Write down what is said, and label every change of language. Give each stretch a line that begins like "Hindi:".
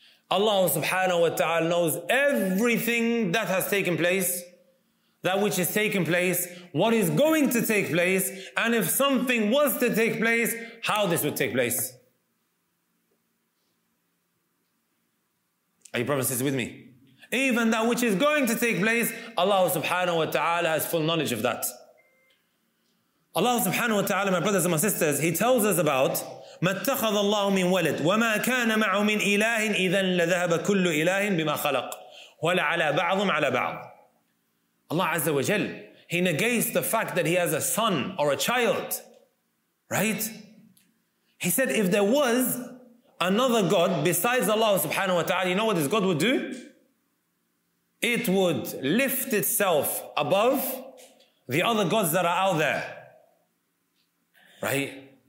English: Allah subhanahu wa ta'ala knows everything that has taken place, that which is taking place, what is going to take place, and if something was to take place, how this would take place. Are you promises with me? Even that which is going to take place, Allah subhanahu wa ta'ala has full knowledge of that. Allah subhanahu wa ta'ala, my brothers and my sisters, He tells us about
Arabic: ما اتخذ الله من ولد وما كان معه من إله إذن لذهب كل إله بما خلق ولا على بعضهم على بعض.
English: Allah Azza wa Jal, He negates the fact that He has a son or a child, right? He said, if there was another God besides Allah subhanahu wa ta'ala, you know what this God would do? It would lift itself above the other gods that are out there, right?